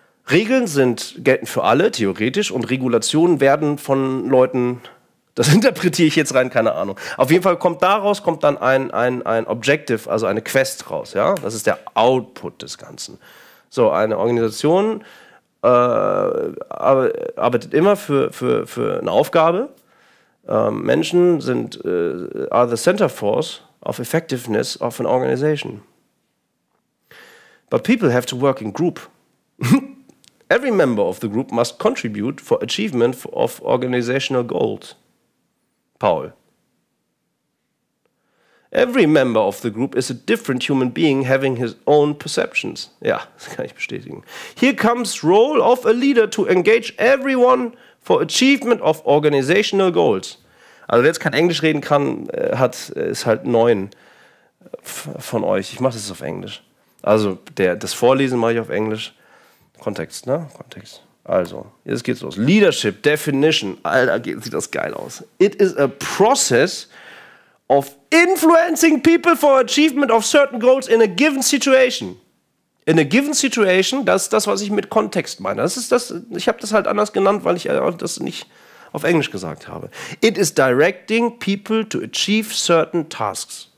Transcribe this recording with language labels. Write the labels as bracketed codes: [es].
[de] Regeln gelten für alle, theoretisch, und Regulationen werden von Leuten, das interpretiere ich jetzt rein, keine Ahnung. Auf jeden Fall kommt daraus dann ein Objective, also eine Quest raus. Ja? Das ist der Output des Ganzen. So, eine Organisation arbeitet immer für eine Aufgabe. [en] Menschen are the center force of effectiveness of an organization. But people have to work in group. Every member of the group must contribute for achievement of organizational goals. Paul. Every member of the group is a different human being having his own perceptions. [de] Ja, das kann ich bestätigen. [en] Here comes role of a leader to engage everyone for achievement of organizational goals. [de] Also wer jetzt kein Englisch reden kann, hat ist halt 9 von euch. Ich mache das auf Englisch. Also das Vorlesen mache ich auf Englisch. Kontext, ne? Kontext. Also, jetzt geht's los. Leadership Definition. Alter, sieht das geil aus. [en] It is a process of influencing people for achievement of certain goals in a given situation. In a given situation, [de] das ist das, was ich mit Kontext meine. Das ist das, ich habe das halt anders genannt, weil ich das nicht auf Englisch gesagt habe. [en] It is directing people to achieve certain tasks.